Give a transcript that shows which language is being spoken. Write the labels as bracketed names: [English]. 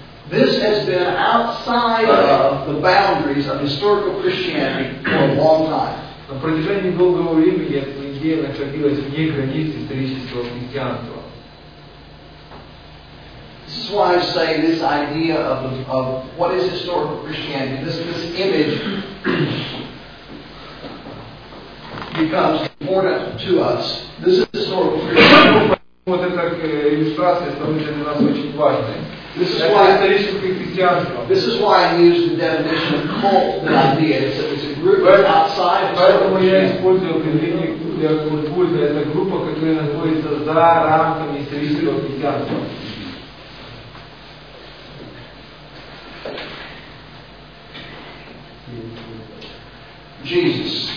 [English] This has been outside of the boundaries of historical Christianity for a long time. [Russian] На протяжении долгого времени эта идея находилась вне границ исторического христианства. [English] This is why I say this idea of what is historical Christianity, this image becomes important to us. This is historical Christianity. [Russian] Вот эта иллюстрация становится для нас очень важной. [English] This is why I use the definition of cult, the idea. It's a group that's outside. [Russian] Поэтому я использую определение культа, культа. Это группа, которая находится за рамками исторического христианства. [English] Jesus.